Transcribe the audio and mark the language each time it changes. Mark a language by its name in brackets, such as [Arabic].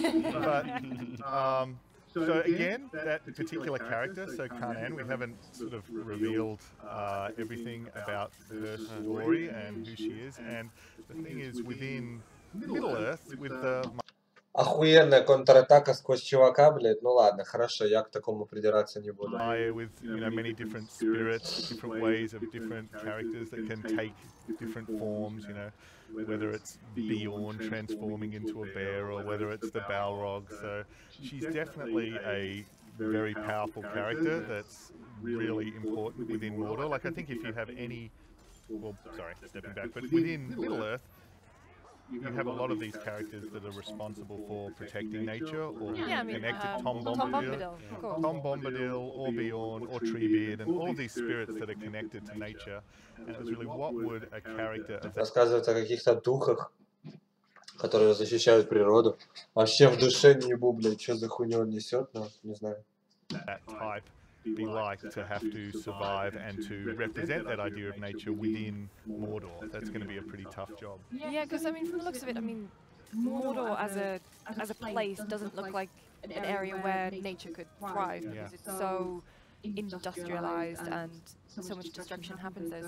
[English] But so again, that particular character, so Kanan, we haven't sort of revealed everything about her story and who she is. And the thing is, within Middle Earth, with the [Russian] охуенная контратака сквозь чувака, блядь. Ну ладно, хорошо, я к такому придираться не буду. [English] With, you know, many different spirits, different ways of different characters that can take different forms, you know, whether it's Bjorn transforming into a bear or whether it's the Balrog. So she's definitely a very powerful character that's really important within Mordor. Like, I think if you have any, well, sorry, stepping back, but within Middle Earth, you have a lot of these characters that are responsible for protecting nature, or connected Tom Bombadil, or Bjorn, or Treebeard, and all these spirits that are connected to nature. And it was really, what would a character of that? [Russian] Рассказывает о каких-то духах, которые защищают природу. Вообще в душе не ебу, блядь, что за хуйню он несет, но не знаю. [English] That type be like to have to survive and to represent that idea of nature within Mordor. That's going to be a pretty tough job. Yeah, because I mean, from the looks of it, I mean, Mordor as a place doesn't look like an area where nature could thrive, because it's so industrialized and so much destruction happens there.